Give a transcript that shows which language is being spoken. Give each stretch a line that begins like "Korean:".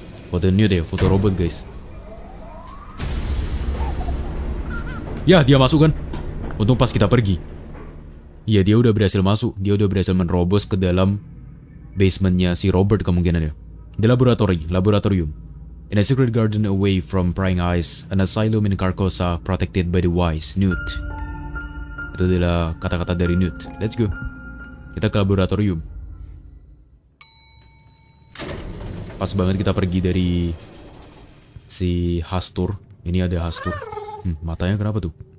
Indonesian: Foto Newt ya, foto robot guys. Ya, dia masuk kan. Untung pas kita pergi. Iya, dia udah berhasil masuk. Dia udah berhasil menerobos ke dalam basement-nya si Robert kemungkinan ya.
English: The laboratory, laboratorium. In a secret garden away from prying eyes, an asylum in Carcosa protected by the wise Newt.
Indonesian: Itu adalah kata-kata dari Newt.
English: Let's go.
Indonesian: Kita ke laboratorium. Pas banget kita pergi dari si Hastur. Ini ada Hastur. Matanya kenapa tuh?